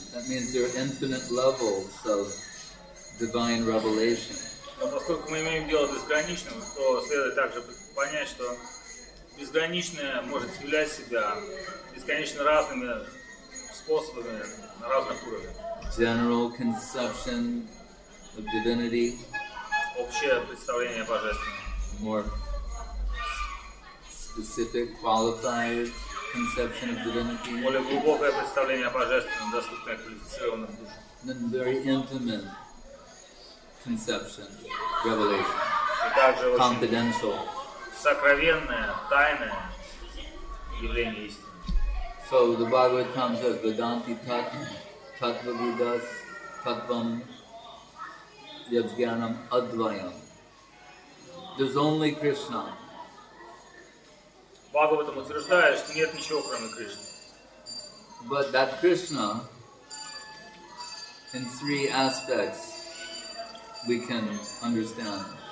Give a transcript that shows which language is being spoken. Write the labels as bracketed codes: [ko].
[en] That means there are infinite levels of divine revelation. [ru] Но поскольку мы имеем дело с безграничным, то следует также понять, что безграничное может являть себя бесконечно разными способами на разных уровнях. [en] general conception of divinity. [ru] Общее представление божественного. [en] More specific, qualified conception of divinity. [ru] Более глубокое представление о божественном, доступное квалифицированным душам. [en] Then very intimate conception, revelation. [ru] И также [en] confidential. [ru] Сокровенное, тайное явление истины. [en] So the Bhagavatam says [sa] Vedanti Tattva, Tattva Vidas, Tattvam, Yajjnanam, Advayam. [en] There's only Krishna. [ru] Bhagavatam утверждает, что нет ничего кроме Кришны. [en] But that Krishna, in three aspects, we can understand.